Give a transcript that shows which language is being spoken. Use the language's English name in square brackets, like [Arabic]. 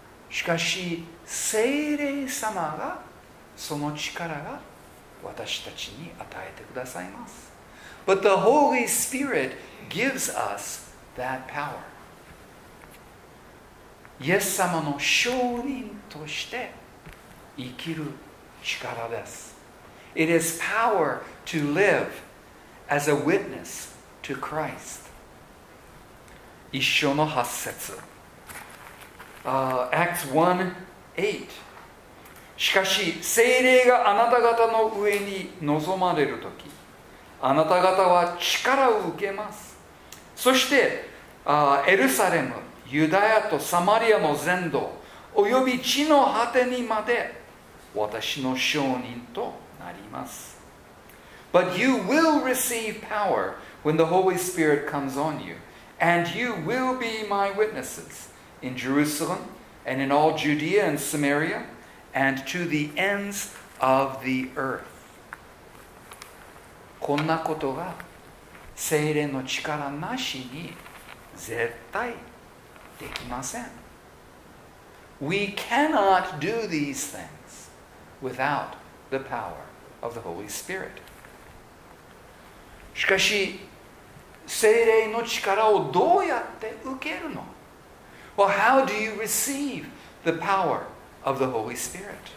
[Japanese] しかし、聖霊様がその力が私たちに与えてくださいます。 [English] But the Holy Spirit gives us that power. [Japanese] イエス様の証人として生きる力です。 [English] It is power to live as a witness to Christ. [Japanese] 一章の八節。 [English] Acts 1:8。 [Japanese] しかし聖霊があなた方の上に臨まれるとき、あなた方は力を受けます。そしてエルサレム、ユダヤとサマリアの全土、および地の果てにまで私の証人となります。 [English] But you will receive power when the Holy Spirit comes on you, and you will be my witnesses in Jerusalem and in all Judea and Samaria and to the ends of the earth. [Japanese] こんなことが聖霊の力なしに絶対できません。 [English] We cannot do these things without the power of the Holy Spirit. [Japanese] しかし、聖霊の力をどうやって受けるの? [English] Well, how do you receive the power of the Holy Spirit?